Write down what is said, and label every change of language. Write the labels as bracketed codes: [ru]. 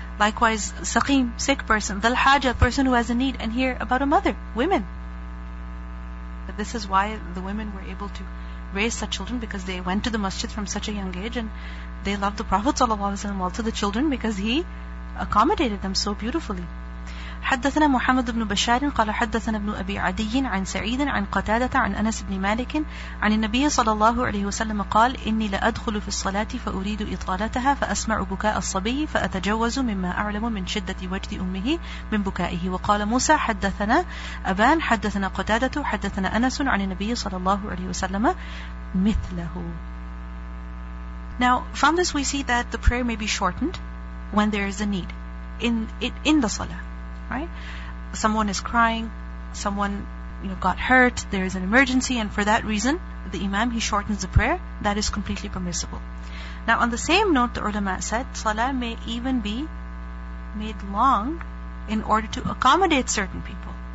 [en] Likewise, saqim, sick person, dhal-haja, person who has a need, and here about a mother, women. But this is why the women were able to raise such children, because they went to the masjid from such a young age, and they loved the Prophet ﷺ, well, to the children, because he accommodated them so beautifully. [ar] حدثنا محمد بن بشار قال حدثنا ابن أبي عدي عن سعيد عن قتادة عن أنس بن مالك عن النبي صلى الله عليه وسلم قال إني لأدخل في الصلاة فأريد إطالتها فأسمع بكاء الصبي فأتجوز مما أعلم من شدة وجد أمه من بكائه. وقال موسى حدثنا أبان حدثنا قتادة حدثنا أنس عن النبي صلى الله عليه وسلم مثله. [en] Now from this we see that the prayer may be shortened when there is a need in the salah. Right? Someone is crying, someone, you know, got hurt, there is an emergency, and for that reason, the imam, he shortens the prayer. That is completely permissible. Now, on the same note, the ulama said, salah may even be made long in order to accommodate certain people.